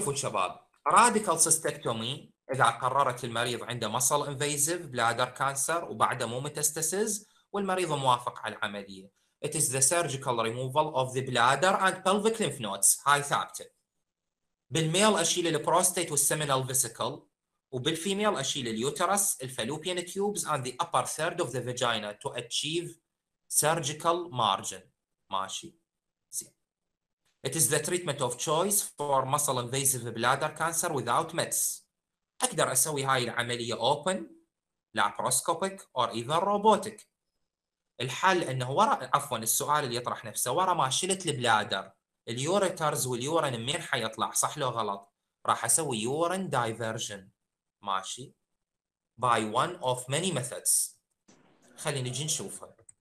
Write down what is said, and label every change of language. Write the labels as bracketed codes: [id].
[ar] ماشي. شوفوا شباب، راديكال سيستكتومي اذا قررت المريض عنده مصل انفيزيف بلادر كانسر وبعده مو ميتاستاسيس والمريض موافق على العمليه، [en] it is the surgical removal of the bladder and pelvic lymph nodes، [ar] هاي ثابته. بالميل اشيل البروستيت والسيمينال فيسيكل، وبالفيميل اشيل اليوترس الفالوبيان تيوبز [en] and the upper third of the vagina to achieve surgical margin. [ar] ماشي زين. [en] It is the treatment of choice for muscle invasive bladder cancer without mets. [ar] اقدر اسوي هاي العمليه [en] open laparoscopic or even robotic. [ar] الحل انه ورا، عفوا السؤال اللي يطرح نفسه، ورا ما شلت البلادر اليوريترز واليورين منين حيطلع صح لو غلط؟ راح اسوي [en] urine diversion [ar] ماشي [en] by one of many methods. [ar] خلينا نجي نشوفها.